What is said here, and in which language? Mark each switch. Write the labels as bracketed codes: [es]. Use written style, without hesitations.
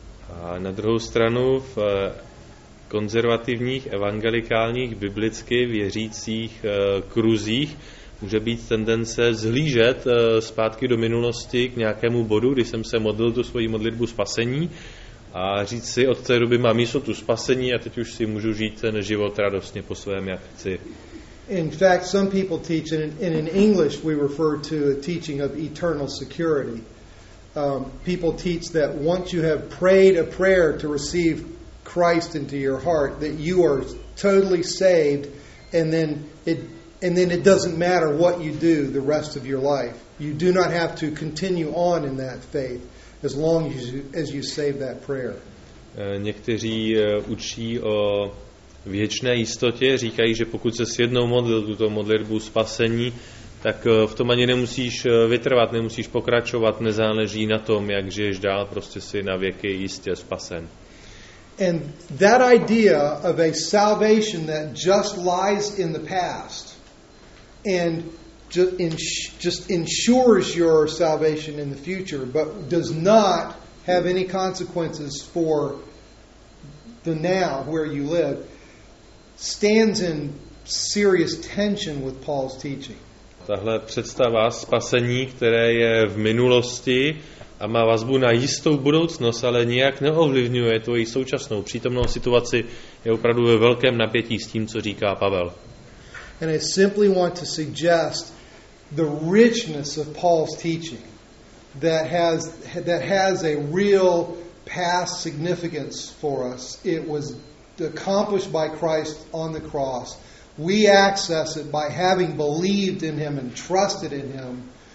[cs] A na druhou stranu v konzervativních evangelikálních biblicky věřících kruzích může být tendence zhlížet zpátky do minulosti k nějakému bodu, kdy jsem se modlil tu svoji modlitbu spasení a říct si, od té doby mám jistotu spasení a teď už si můžu žít ten život radostně po svém, jak chci. [en] In fact, some people teach, and in English we refer to a teaching of eternal security. People teach that once you have prayed a prayer to receive Christ into your heart, that you are totally saved, and then it doesn't matter what you do the rest of your life. You do not have to continue on in that faith as long as you save that prayer. [cs] Někteří učí o věčné jistotě, říkají, že pokud se jednou modlil tuto modlitbu spasení, tak v tom ani nemusíš vytrvat, nemusíš pokračovat, nezáleží na tom, jak žiješ dál, prostě si na věky jistě spasen. [en] And that idea of a salvation that just lies in the past and just ensures your salvation in the future, but does not have any consequences for the now where you live, stands in serious tension with Paul's teaching. [cs] Tahle představa spasení, které je v minulosti a má vazbu na jistou budoucnost, ale nijak neovlivňuje tvoji současnou přítomnou situaci, je opravdu ve velkém napětí s tím, co říká Pavel. [en] And I simply want to suggest the richness of Paul's teaching that has a real past significance for us. It was accomplished by Christ on the cross. We access it by having believed in Him and trusted in Him.